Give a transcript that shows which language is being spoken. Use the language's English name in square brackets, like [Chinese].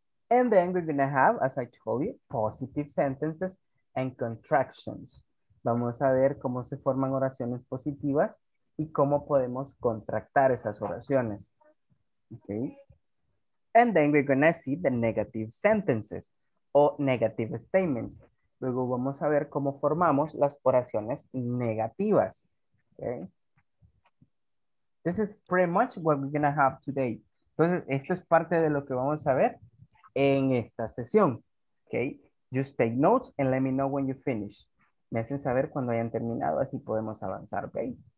[English] And then we're going to have, as I told you, positive sentences and contractions. [Spanish] Vamos a ver cómo se forman oraciones positivas y cómo podemos contractar esas oraciones. [English] Okay. And then we're going to see the negative sentences o negative statements. [Spanish] Luego vamos a ver cómo formamos las oraciones negativas. [English] Okay. This is pretty much what we're going to have today. [Spanish] Entonces, esto es parte de lo que vamos a ver en esta sesión, ok. [English] Just take notes and let me know when you finish. [Spanish] Me hacen saber cuando hayan terminado, así podemos avanzar, ok.